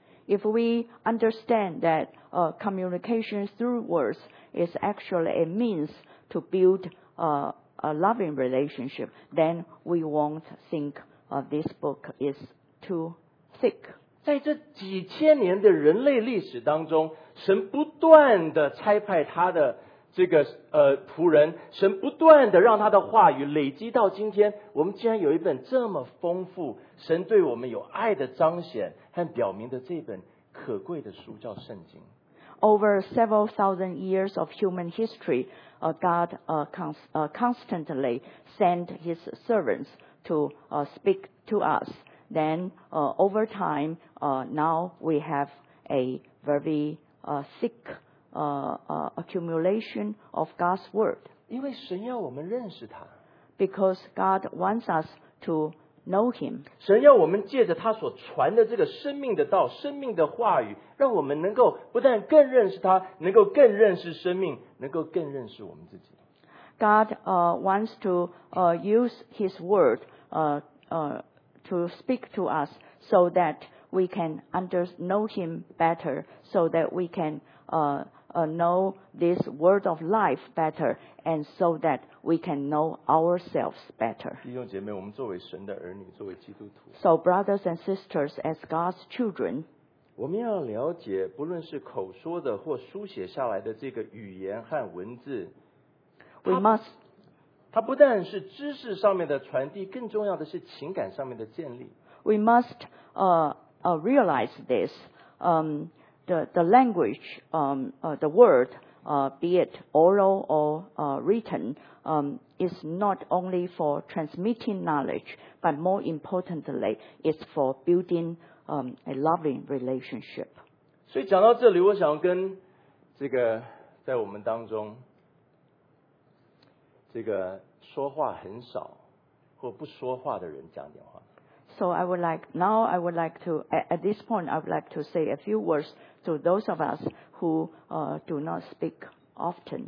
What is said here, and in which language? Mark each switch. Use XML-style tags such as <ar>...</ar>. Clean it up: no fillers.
<en>If we understand that communication through words is actually a means to build a loving relationship, then we won't think this book is too thick.</en> <zh>在这几千年的人类历史当中，神不断的差派他的这个仆人，神不断的让他的话语累积到今天，我们竟然有一本这么丰富，神对我们有爱的彰显和表明的这本可贵的书叫圣经。</zh> <en>Over several thousand years of human history, God constantly sent his servants to speak to us. Then over time, now we have a very thick accumulation of God's word.</en> <zh>因为神要我们认识他。</zh> <en>Because God wants us to know him.</en> <zh>神要我们借着他所传的这个生命的道，生命的话语，让我们能够不但更认识他，能够更认识生命，能够更认识我们自己。</zh> <en>God wants to use his word to speak to us so that we can know him better, so that we can know this word of life better, and so that we can know ourselves better.</en> <zh>弟兄姐妹，我们作为神的儿女，作为基督徒。</zh> <en>So brothers and sisters, as God's children,</en> <zh>我们要了解，不论是口说的或书写下来的这个语言和文字，</zh> <en>we must.</en> <zh>它不但是知识上面的传递，更重要的是情感上面的建立。</zh> <en>We must realize this. The language, the word, be it oral or written, is not only for transmitting knowledge, but more importantly, it's for building a loving relationship.</en> <zh>所以讲到这里，我想跟这个在我们当中，这个说话很少或不说话的人讲点话。</zh> <en>So I would like now I would like to at this point I would like to say a few words to those of us who do not speak often.</en>